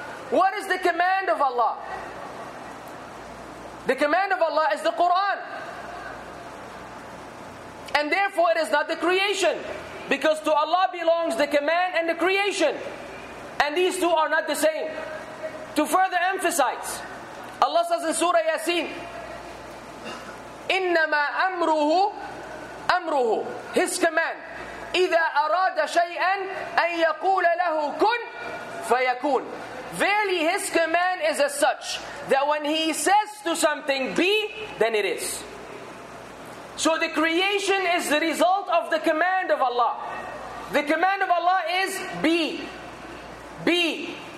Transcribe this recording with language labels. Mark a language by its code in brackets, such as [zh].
[en] What is the command of Allah? The command of Allah is the Quran. And therefore it is not the creation. Because to Allah belongs the command and the creation. And these two are not the same. To further emphasize, Allah says in Surah Yasin, [ar] إِنَّمَا أَمْرُهُ أمره [en] His command [ar] إذا أراد شيئا أن يقول له كن فيكون. [en] Verily His command is as such that when He says to something be, then it is. So the creation is the result of the command of Allah. The command of Allah is be. Be.